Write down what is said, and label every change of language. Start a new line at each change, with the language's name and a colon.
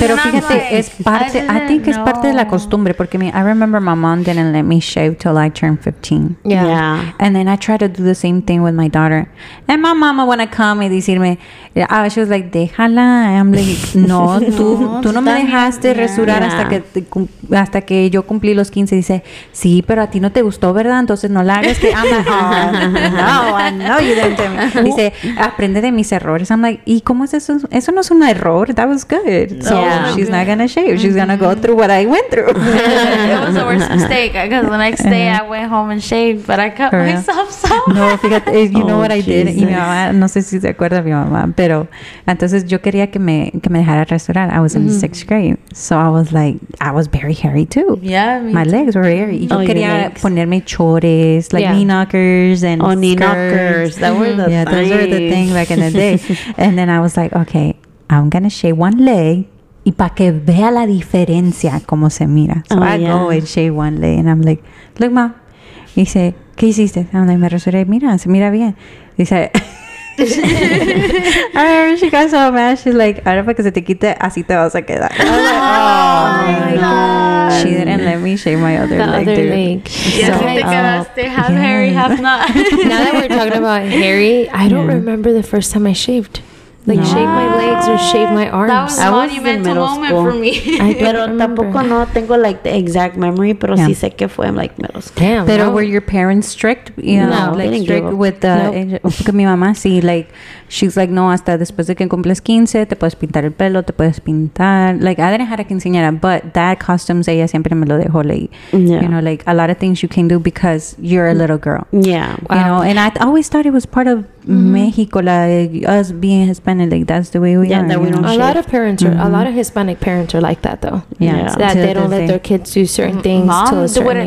Spanish: pero fíjate,
English: like,
Spanish: es parte,
English: I think it's
Spanish: parte de la costumbre porque
English: I remember my mom didn't let me shave till I turned 15 yeah and then I tried to do the same thing with my daughter and my mama wanna come
Spanish: y decirme
English: yeah, she was like
Spanish: déjala
English: I'm like
Spanish: no tú no me dejaste
English: yeah.
Spanish: resurar
English: yeah.
Spanish: hasta que yo cumplí los 15. Dice, sí, pero a ti no te gustó, ¿verdad? Entonces no la hagas.
English: Que I'm like, oh, no, you didn't tell me.
Spanish: Dice, aprende de mis errores.
English: I'm like,
Spanish: ¿y cómo es eso? Eso no es un error.
English: That was good. No, so yeah. She's not gonna shave.
Spanish: Mm-hmm.
English: She's gonna go through what I went through. It was the worst mistake, because the next day I went home and shaved, but I cut myself so hard.
Spanish: No, fíjate,
English: you know what I did.
Spanish: Y mi mamá, no sé si se acuerda mi mamá, pero entonces yo quería que me dejara rasurar.
English: I was in sixth grade, so I was like, I was very hairy too. Yeah, my legs were hairy.
Spanish: Yo quería ponerme chores,
English: like knee knockers and skirts. Knee knockers. That were the thing. Those were the thing back in the day. And then I was like, okay, I'm gonna shave one leg.
Spanish: Y para que vea la diferencia cómo se mira.
English: So I go and shave one leg, and I'm like, look, mom.
Spanish: Y dice, ¿qué hiciste?
English: I'm like,
Spanish: me rasuré. Mira, se mira bien. Dice.
English: I remember she got so mad. She's like,
Spanish: ahora para que se te quite, así te vas a quedar.
English: Like, oh my god. She didn't let me shave my other leg. Other leg. So, half hairy, half not. Now that we're talking about hairy, I don't remember the first time I shaved. Like, shave my legs or shave my arms. That was a monumental moment for me.
Spanish: Pero tampoco no tengo, like,
English: the exact memory,
Spanish: pero sí sé que fue, like,
English: middle school. Damn.
Spanish: Pero
English: were your parents strict? You know, like, strict with the...
Spanish: Porque mi mamá, sí, like,
English: she's like,
Spanish: no, hasta después de que cumples 15, te puedes pintar el pelo, te puedes pintar.
English: Like, I didn't have a quinceañera, but that costumes,
Spanish: ella siempre me lo dejó leer.
English: Yeah. You know, like, a lot of things you can do because you're a little girl. Yeah. You know, and I always thought it was part of Mexico, like, us being Hispanic, like, that's the way we are. That we don't shave. A lot of parents are, a lot of Hispanic parents are like that, though. Yeah. That they don't let their kids do certain things to a certain age.